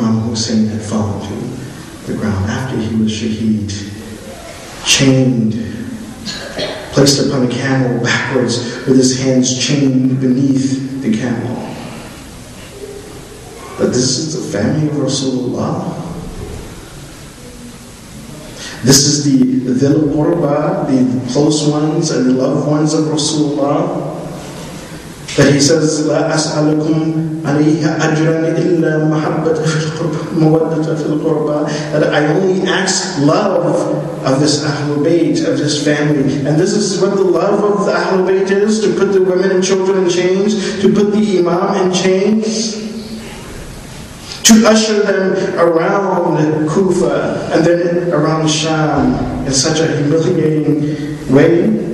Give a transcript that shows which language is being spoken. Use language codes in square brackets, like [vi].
[en] Hussein had fallen to the ground after he was shaheed, chained, placed upon a camel backwards with his hands chained beneath the camel. But this is the family of Rasulullah. This is the Dhil Qurba, the close ones and the loved ones of Rasulullah. [ar] That he says, لا أسألكم عليها أجرًا إلا محبة في القربة مودة في القربة. [en] That I only ask love of this Ahlul Bayt, of this family. And this is what the love of the Ahlul Bayt is, to put the women and children in chains, to put the Imam in chains, to usher them around Kufa and then around Sham in such a humiliating way.